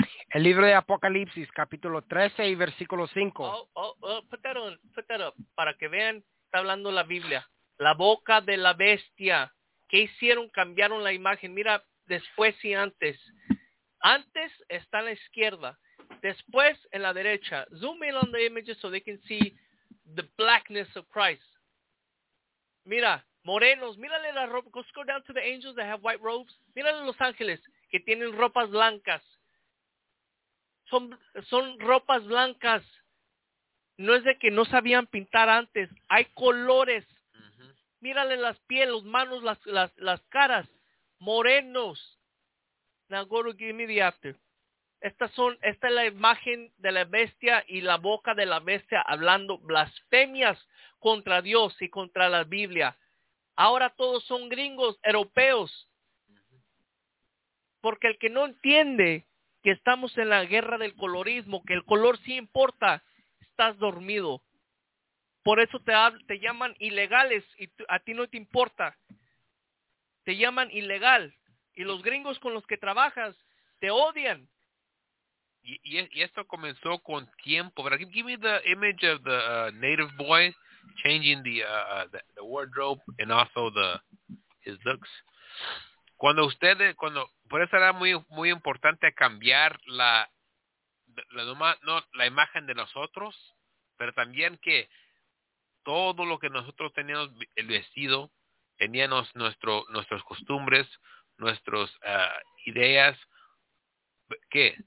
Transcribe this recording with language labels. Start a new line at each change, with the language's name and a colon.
Spanish: El libro de Apocalipsis, capítulo 13 y versículo 5. Put that up, para que vean, está hablando la Biblia. La boca de la bestia, ¿qué hicieron? Cambiaron la imagen, mira, después y antes. Antes está a la izquierda, después en la derecha.
English: Zoom in on the images so they can see the blackness of Christ.
Spanish: Mira, morenos, mírale la ropa.
English: Let's go down to the angels that have white robes.
Spanish: Mírale los ángeles que tienen ropas blancas. Son ropas blancas. No es de que no sabían pintar antes. Hay colores. Mírale las pieles, los manos, las caras.
English: Morenos. Now go to give me the after.
Spanish: Esta es la imagen de la bestia y la boca de la bestia hablando blasfemias contra Dios y contra la Biblia. Ahora todos son gringos, europeos. Porque el que no entiende que estamos en la guerra del colorismo, que el color sí importa, estás dormido. Por eso te llaman ilegales y a ti no te importa. Te llaman ilegal. Y los gringos con los que trabajas te odian. Y esto comenzó con tiempo.
English: But give me the image of the native boy changing the wardrobe and also his looks.
Spanish: Cuando por eso era muy muy importante cambiar la imagen de nosotros, pero también que todo lo que nosotros teníamos, el vestido, teníamos nuestras costumbres, nuestras ideas, ¿qué?